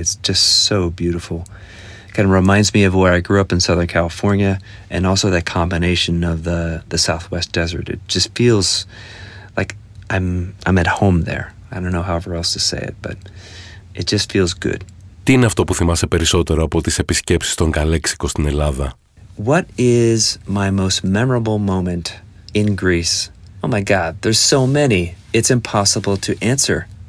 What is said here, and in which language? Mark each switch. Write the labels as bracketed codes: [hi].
[en] It's just so beautiful. Kind of reminds me of where I grew up in Southern California, and also that combination of the Southwest desert. It just feels like I'm at home there. I don't know however else to say it, but it just feels good. [el] Τι είναι αυτό που θυμάσαι περισσότερο από τις επισκέψεις των Καλέξικο στην Ελλάδα? [en] What is my most memorable moment in Greece? Oh my God, there's so many. It's impossible to answer.